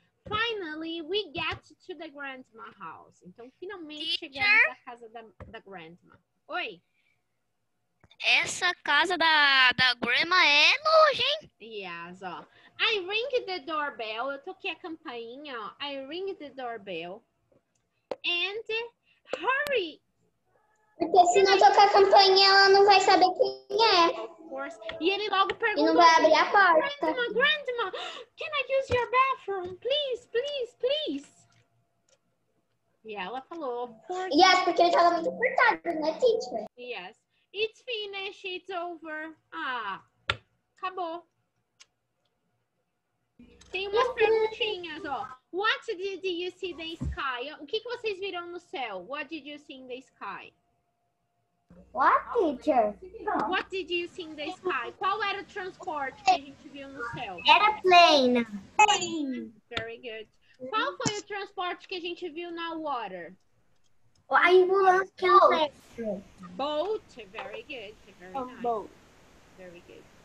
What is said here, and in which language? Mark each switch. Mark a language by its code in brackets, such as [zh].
[en] Finally, we get to the grandma house. [pt] Então, finalmente chegamos à casa da grandma. Oi. Essa casa da grandma é longe, hein? Yes, ó. [en] I ring the doorbell. [pt] Eu toquei a campainha, ó. [en] I ring the doorbell. And hurry. [pt] Porque se não tocar a campainha, ela não vai saber quem é. [en] Of course. [pt] E ele logo pergunta. E não vai abrir a porta. [en] Grandma, grandma, can I use your bathroom? Please, please, please. [pt] E ela falou, [en] of course. [pt] Yes, porque ele estava muito apertado, né, teacher? [en] Yes. It's finished, it's over. Ah, acabou. [pt] Tem umas perguntinhas, ó. [en] What did you see in the sky? [pt] O que vocês viram no céu? [en] What did you see in the sky? What, teacher? What did you see in the sky? [pt] Qual era o transporte que a gente viu no céu? Era plane. [en] Plane. Very good. [pt] Qual foi o transporte que a gente viu na water? A ambulância. [en] Boat. Very good. Very nice. Boat. Very good.